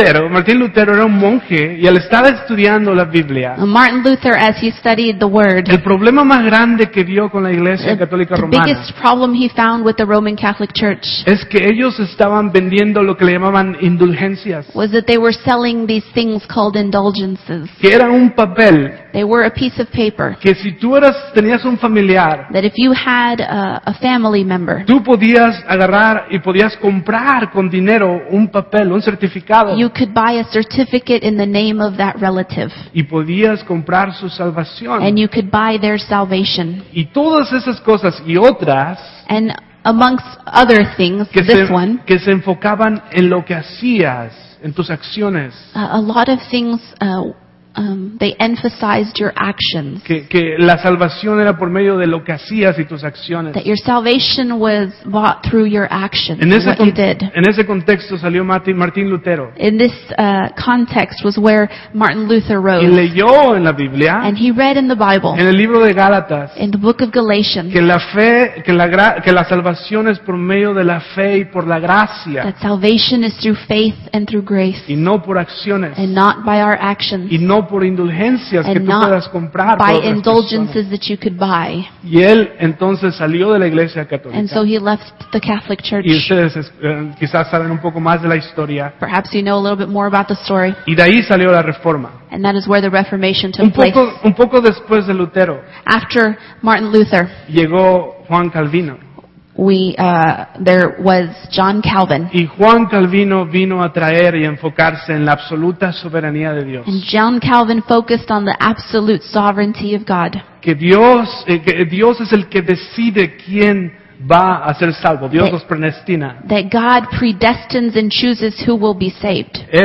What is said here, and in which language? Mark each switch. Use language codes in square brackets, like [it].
[es] Martín Lutero era un monje y él estaba estudiando la Biblia. [en] Martin Luther, as he studied the word, [es] el problema más grande que vio con la Iglesia Católica Romana, [en] the biggest problem he found with the Roman Catholic Church, [es] es que ellos estaban vendiendo lo que le llamaban indulgencias, [en] was that they were selling these things called indulgences, [es] que era un papel, [en] they were a piece of paper, [es] que si tú eras, tenías un familiar, [en] that if you had a family member, [es] tú podías agarrar y podías comprar con dinero un papel, un certificado. [en] You could buy a certificate in the name of that relative. [es] Y podías comprar su salvación. [en] And you could buy their salvation. [es] Y todas esas cosas y otras. [en] And amongst other things, [es] que [en] this [es] se, [en] one. [es] Que se enfocaban en lo que hacías, en tus acciones. [en] A lot of things they emphasized your actions. [es] Que la salvación era por medio de lo que hacías y tus acciones. [en] That your salvation was bought through your actions, what you did. [es] En ese contexto salió Martín Lutero. [en] In this context was where Martin Luther rose. [es] Y leyó en la Biblia. [en] And he read in the Bible. [es] En el libro de Gálatas. [en] In the book of Galatians. [es] Que la salvación es por medio de la fe y por la gracia. [en] That salvation is through faith and through grace. [es] Y no por acciones. [en] And not by our actions. [es] Y no por indulgencias que tú puedas comprar. [en] By indulgences that you could buy. [es] Y él entonces salió de la iglesia católica. [en] And so he left the Catholic Church. [es] Y ustedes quizás saben un poco más de la historia. [en] Perhaps you know a little bit more about the story. [es] Y de ahí salió la Reforma. [en] And that is where the Reformation took place. [es] Un poco después de Lutero. [en] After Martin Luther. [es] Llegó Juan Calvino. [en] There was John Calvin. [es] Y Juan Calvino vino a traer y enfocarse en la absoluta soberanía de Dios. [en] And John Calvin focused on the absolute sovereignty of God. [es] Que Dios es el que decide quién va a ser salvo. Dios los predestina. [en] That God predestines and chooses who will be saved.